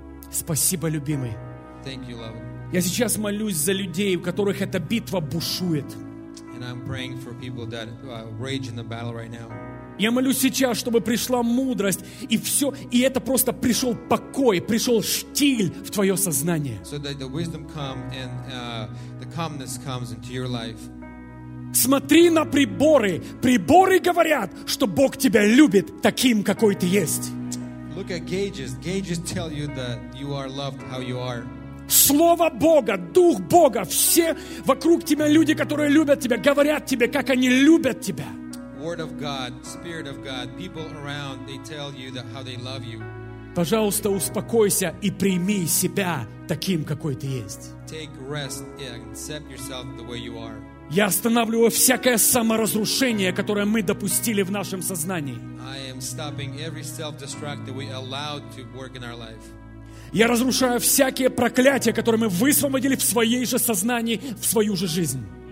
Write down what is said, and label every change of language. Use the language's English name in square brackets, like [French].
[Russian] Спасибо, любимый. [English] Thank you, love. [Russian] Я сейчас молюсь за людей, у которых эта битва бушует. [English] And I'm praying for people that rage in the battle right now. [Russian] Я молюсь сейчас, чтобы пришла мудрость и все, и это просто пришел покой, пришел штиль в твое сознание. [English] So that the wisdom come and the calmness comes into your life. [Russian] Смотри на приборы. Приборы говорят, что Бог тебя любит таким, какой ты есть. [English] Look at gauges. Gauges tell you that you are loved how you are. [Russian] Слово Бога, Дух Бога, все вокруг тебя люди, которые любят тебя, говорят тебе, как они любят тебя. [English] Word of God, Spirit of God, people around, they tell you that how they love you. [Russian] Пожалуйста, успокойся и прими себя таким, какой ты есть. [English] Take rest and accept yourself the way you are. [Russian] Я останавливаю всякое саморазрушение, которое мы допустили в нашем сознании. [English] I am stopping every self-destruct that we allowed to work in our life. [Russian] Я разрушаю всякие проклятия, которые мы высвободили в своей же сознании, в свою же жизнь.